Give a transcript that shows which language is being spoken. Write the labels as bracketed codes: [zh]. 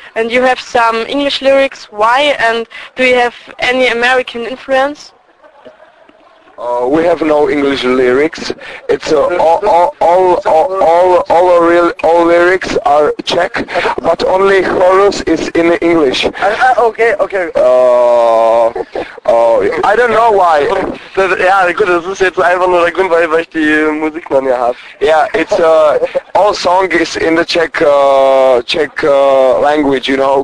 [en] And you have some English lyrics. Why? And do you have any American influence? We have no English lyrics. It's all lyrics are Czech, but only chorus is in English. Okay. I don't know why. [de] Ja, gut, das ist jetzt einfach nur der Grund, weil ich die Musik noch nicht habe. [en] Yeah, it's all song is in the Czech language, you know.